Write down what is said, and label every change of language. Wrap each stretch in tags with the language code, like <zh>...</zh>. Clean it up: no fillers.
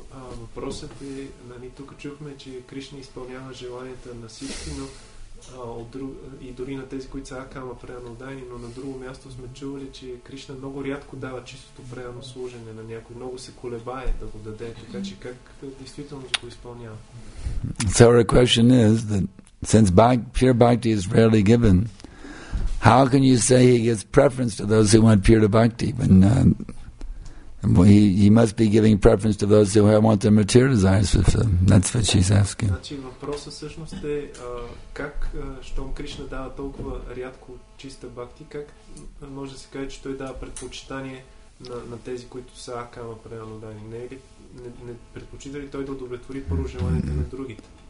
<bg>Въпросът е, нали тук чухме, че Кришна изпълнява желанията на всички, но и дори на тези, които са акама преанодайни, но на друго място сме чували, че Кришна много рядко дава чистото преано служене на някой. Много се колебае да го даде. Така че как действително го изпълнява?</bg> <en>So our question is that since pure bhakti is rarely given, how can you say he gives preference to those who want pure bhakti? He must be giving preference to those who want their material desires fulfilled. That's what she's asking.</en> <bg>Значи въпросът всъщност е как щом Кришна дава толкова рядко чиста бхакти, как може да се каже, че той дава предпочитание на тези, които са акама преданодани? Не предпочита ли той да удовлетвори първо желанието на другите?</bg>